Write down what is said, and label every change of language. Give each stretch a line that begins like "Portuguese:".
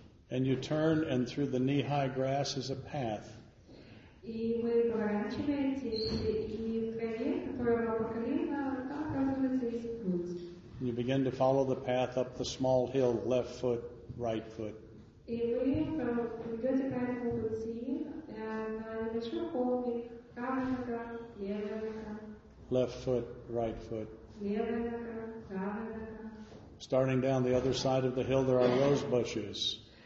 English: And you turn and through the knee-high grass is a path.
Russian: И вы поворачиваетесь, и в траве, которая вам по колено, там оказывается путь.
English: Right,
Russian: и вы идете по этому пути, на небольшой холмик, правая нога, левая нога.
English: Left foot, right foot.
Russian: Левая нога, правая нога.
English: Starting down the other side of the hill, there are rose bushes.